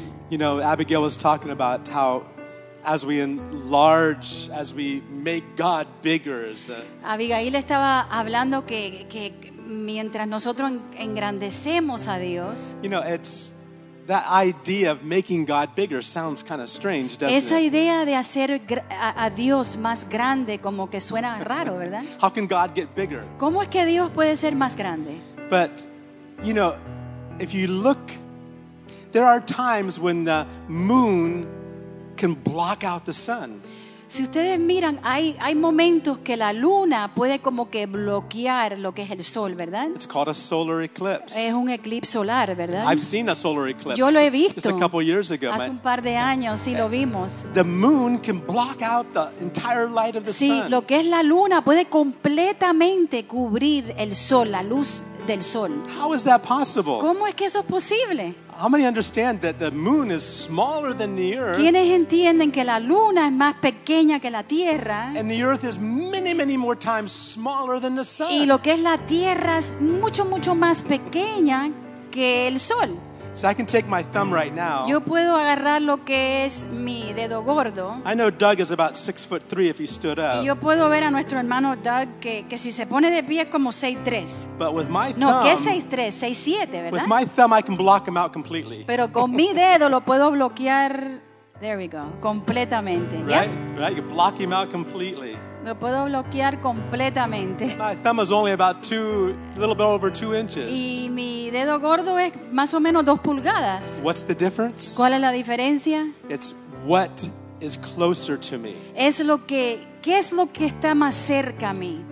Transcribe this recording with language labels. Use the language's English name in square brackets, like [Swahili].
[English] You know, Abigail was talking about how as we enlarge, as we make God bigger, is that [Spanish] Abigail estaba hablando que mientras nosotros engrandecemos a Dios. [English] You know, it's that idea of making God bigger sounds kind of strange, doesn't [Spanish] esa [English] it? [Spanish] Esa idea de hacer a Dios más grande como que suena raro, ¿verdad? [English] How can God get bigger? [Spanish] ¿Cómo es que Dios puede ser más grande? [English] But, you know, if you look there are times when the moon can block out the sun. [Spanish] Si ustedes miran, hay momentos que la luna puede como que bloquear lo que es el sol, ¿verdad? [English] It's called a solar eclipse. [Spanish] Es un eclipse solar, ¿verdad? [English] I've seen a solar eclipse. [Spanish] Yo lo he visto. [English] Just a couple years ago. [Spanish] Hace un par de años, sí, lo vimos. [English] The moon can block out the entire light of the sun. [Spanish] Sí, lo que es la luna puede completamente cubrir el sol, la luz del sol. [English] How is that possible? [Spanish] ¿Cómo es que eso es posible? [English] How many understand that the moon is smaller than the earth? [Spanish] ¿Quiénes entienden que la luna es más pequeña que la tierra? [English] And the earth is many, many more times smaller than the sun. [Spanish] Y lo que es la tierra es mucho, mucho más pequeña que el sol. [English] So I can take my thumb right now. [Spanish] Yo puedo agarrar lo que es mi dedo gordo. [English] I know Doug is about 6'3" if he stood up. [Spanish] Y yo puedo ver a nuestro hermano Doug que si se pone de pie es como 6'3". [English] But with my thumb. [Spanish] No, que es 6'3", 6'7", ¿verdad? [English] With my thumb I can block him out completely. [Spanish] Pero con mi dedo lo puedo bloquear. [English] There we go. [Spanish] Completamente. [English] Right? Yeah? Right? You block him out completely. [Spanish] Lo puedo bloquear completamente. [English] My thumb is only about a little bit over 2 inches. [Spanish] Y mi dedo gordo es más o menos 2 pulgadas. [English] What's the difference? [Spanish] ¿Cuál es la diferencia? [English] It's what is closer to me. [Spanish] Es lo que, ¿qué es lo que está más cerca a mí?